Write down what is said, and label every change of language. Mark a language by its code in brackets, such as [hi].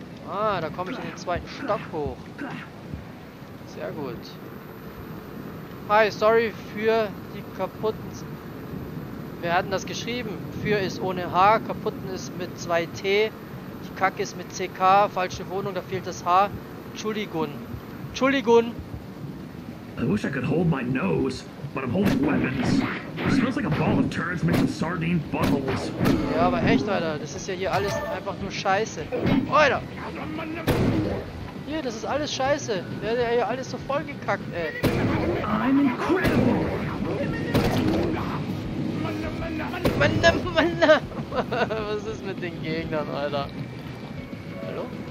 [de] Ah, da komme ich in den zweiten Stock hoch. Sehr gut. Hi, sorry für die kaputten. Wir hatten das geschrieben. Für ist ohne H, kaputten ist mit 2T. Die Kacke ist mit CK, falsche Wohnung, da fehlt das H. Entschuldigung. Entschuldigung. [en] I wish I could hold my nose, but I'm holding weapons. It smells like a ball of turds mixed with sardine bubbles. [de] Ja, aber echt, Alter. Das ist ja hier alles einfach nur Scheiße. Alter! Hier, das ist alles Scheiße. Der hat ja hier alles so voll gekackt, ey. [en] I'm incredible! Manna. [de] Was ist mit den Gegnern, Alter? Hallo?